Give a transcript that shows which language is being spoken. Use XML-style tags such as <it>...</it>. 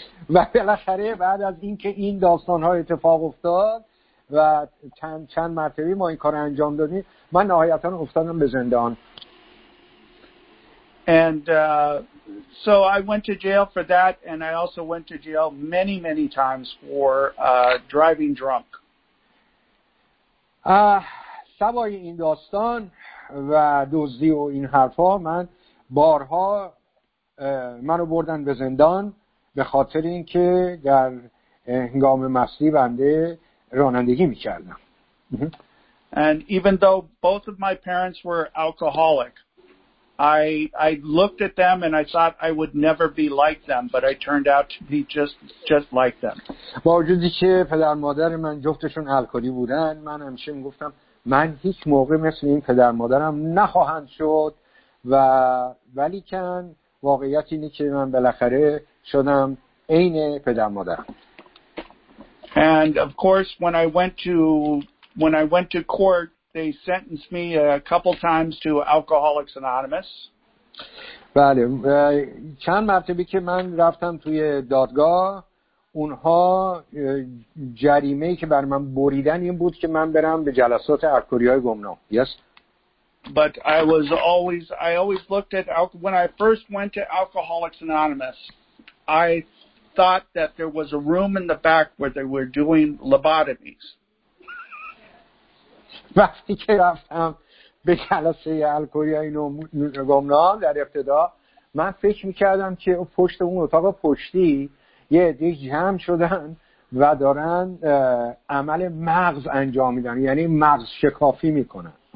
<fa>و بالاخره بعد از اینکه این داستان ها اتفاق افتاد و چند مرتبه ما این کار انجام دادیم، من نهایتا افتادم به زندان.</fa> <en>And so I went to jail for that, and I also went to jail many, many times for driving drunk.</en> <fa>سوای این داستان و دزدی و این حرفا، من بارها منو بردن به زندان به خاطر اینکه در هنگام مستی بنده رانندگی می‌کردم.</fa> <en>And even though both of my parents were alcoholic, I looked at them and I thought I would never be like them, but I turned out to be just like them.</en> <fa>با وجودی که پدر مادر من جفتشون الکلی بودن، من همیشه میگفتم من هیچ موقع مثل این پدر مادرم نخواهم شد، و ولی کن واقعیت اینه که من بالاخره شدم عین پدر مادرم.</fa> <en>And of course when I went to court, they sentenced me a couple times to Alcoholics Anonymous.</en> <fa>بله، چند مرتبه که من رفتم توی دادگاه، اونها جریمه‌ای که بر من بریدن این بود که من برم به جلسات الکلی‌های گمنام.</fa> <en>Yes. But I always looked at when I first went to Alcoholics Anonymous, I thought that there was a room in the back where they were doing lobotomies.</en> <fa>وقتی که رفتم به جلسه الکلی‌های گمنام در ابتدا، من فکر میکردم که پشت اون اتاق پشتی یه عده جمع شدن و دارن عمل مغز انجام میدن، یعنی مغز شکافی میکنن.</fa>